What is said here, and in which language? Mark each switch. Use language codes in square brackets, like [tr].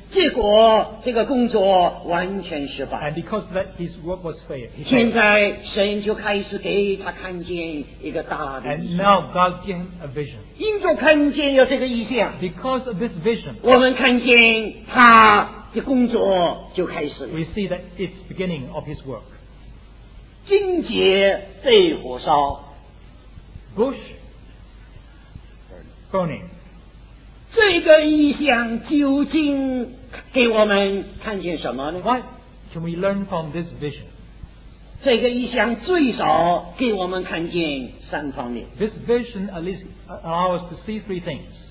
[zh] 结果这个工作完全失败。 [en] And because that his work was failed. [zh] 现在神就开始给他看见一个大的意象。 [en] And now God gave him a vision. [zh] 因着看见了这个意象。 [en] Because of this vision. [zh] 我们看见他的工作就开始了。 [en] We see that it's beginning of his work. [zh] 荆棘被火烧。 [en] Bush burning. [zh] 这个意象究竟给我们看见什么呢 [en] What can we learn from this vision? [zh] 这个意象最少给我们看见三方面 [en] This vision at least allows us to see three things